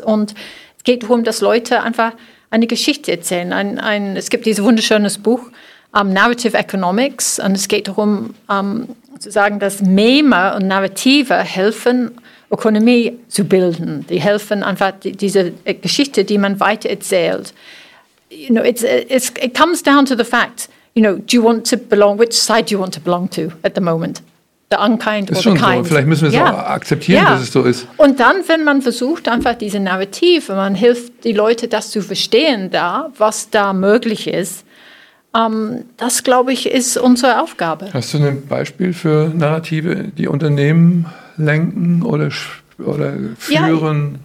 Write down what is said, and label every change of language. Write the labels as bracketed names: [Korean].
[German] Und es geht darum, dass Leute einfach eine Geschichte erzählen. Es gibt dieses wunderschöne Buch, Narrative Economics, und es geht darum, zu sagen, dass Meme und Narrative helfen, Ökonomie zu bilden. Die helfen einfach, diese Geschichte, die man weiter erzählt. [English] You know, it comes down to the fact, you know, do you want to belong, which side do you want to belong to at the moment? The unkind [German] ist [English] or the kind? [German] Ist schon so, vielleicht müssen wir es auch akzeptieren, dass es so ist. Und dann, wenn man versucht, einfach diese Narrative, man hilft die Leute, das zu verstehen, was da möglich ist, das, glaube ich, ist unsere Aufgabe. Hast du ein Beispiel für Narrative, die Unternehmen lenken oder führen?